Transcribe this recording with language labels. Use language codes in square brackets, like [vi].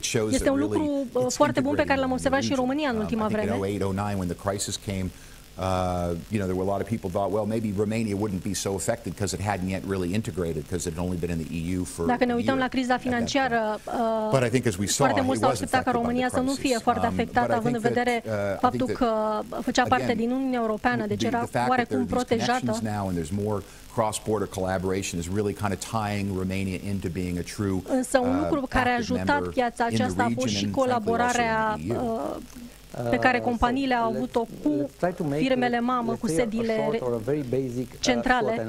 [ro] Este un lucru foarte bun pe care l-am observat și în România în ultima vreme. [en] In 2008-2009, when the crisis came, you know, there were a lot of people thought, well, maybe Romania wouldn't be so affected because it hadn't yet really integrated because it had only been in the EU for. [ro] Dacă ne uităm la criza financiară, [en] but I think as we saw, [ro] foarte mult s-a așteptat ca România să nu fie foarte afectată, având în vedere faptul că făcea parte din Uniunea Europeană, deci era oarecum protejată. [en] Cross-border collaboration is really kind of tying Romania into being a true active member in the region and frankly also in the EU. [ro] Pe care companiile au avut-o cu firmele mamă, cu sediile centrale.